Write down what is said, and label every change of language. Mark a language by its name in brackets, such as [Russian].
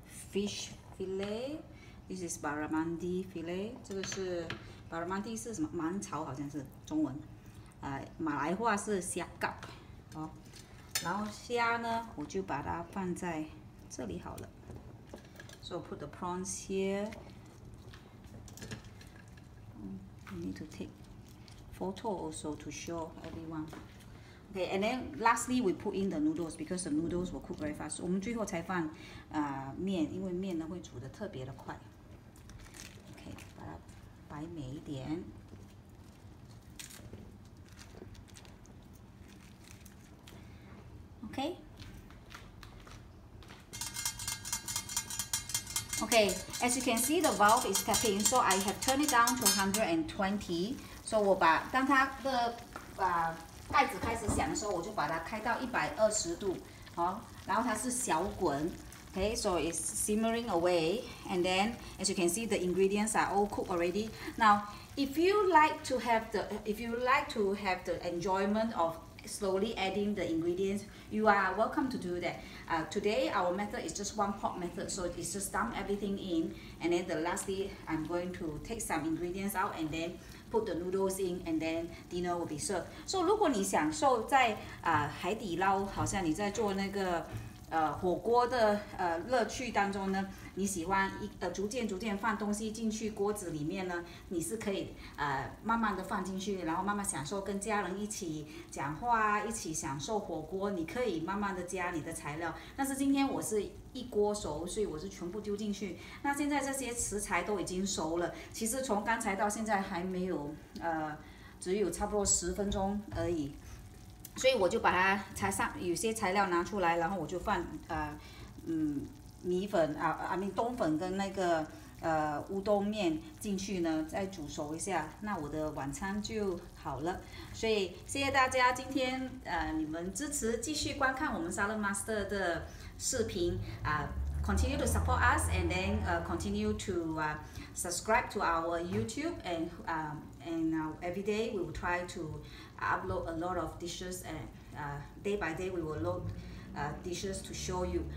[English] fish fillet this is barramundi fillet [Chinese] 这个是 Barramundi是什么？芒草好像是中文， 马来话是虾蛤。哦，然后虾呢，我就把它放在这里好了。 [English] So put the prawns here. We need to take photo also to show everyone. Okay, and then lastly we put in the noodles because the noodles will cook very fast. [Chinese] 我们最后才放， 面，因为面呢会煮的特别的快。摆美一点 [English] okay as you can see the valve is tapping so I have turned it down to 120 so [Chinese] 我把当它的盖子开始响的时候我就把它开到120度然后它是小滚 [English] Okay, so it's simmering away, and then as you can see, the ingredients are all cooked already. Now, if you like to have the enjoyment of slowly adding the ingredients, you are welcome to do that. Today, our method is just one pot method, so it's just dump everything in, and then lastly, I'm going to take some ingredients out and then put the noodles in, and then dinner will be served. [Chinese] So 如果你享受在、海底捞，好像你在做那个、火锅的、乐趣当中呢，你喜欢一、逐渐逐渐放东西进去锅子里面呢，你是可以、慢慢的放进去，然后慢慢享受跟家人一起讲话，一起享受火锅，你可以慢慢的加你的材料。但是今天我是一锅熟，所以我是全部丢进去。那现在这些食材都已经熟了，其实从刚才到现在还没有、只有差不多十分钟而已，所以我就把它才上有些材料拿出来，然后我就放、米粉啊，冬粉跟那个乌冬面进去呢，再煮熟一下，那我的晚餐就好了。所以谢谢大家今天你们支持继续观看我们 Salad Master 的视频啊， [English] continue to support us and then continue to subscribe to our YouTube and every day we will try to upload a lot of dishes and day by day we will load dishes to show you.